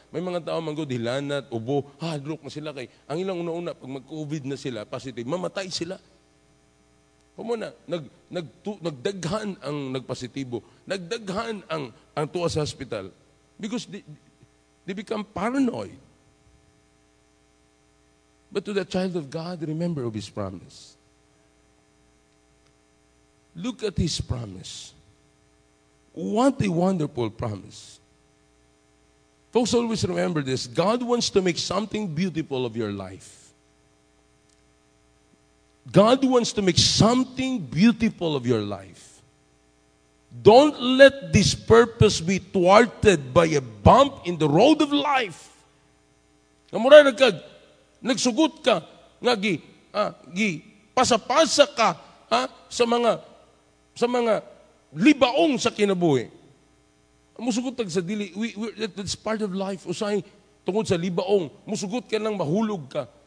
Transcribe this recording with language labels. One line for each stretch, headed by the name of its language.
Cebuano: May mga tao manggod, hilanat, ubo, hadrok na sila. Kaya ang ilang una-una, pag mag-COVID na sila, positive, mamatay sila. Kumuna, nagdaghan ang nagpositibo. Nagdaghan ang tuwa sa hospital.
English: Because they become paranoid. But to the child of God, remember of His promise. Look at His promise. What a wonderful promise. Folks, always remember this. God wants to make something beautiful of your life. God wants to make something beautiful of your life. Don't let this purpose be thwarted by a bump in the road of life.
Cebuano: Kamuray na kag, nagsugot ka, nga gi, pasapasa ka sa mga libaong sa kinabuhi. Musugot tag sa dili,
English: that's part of life.
Cebuano: Usay, tungod sa libaong, musugot ka lang, mahulog ka.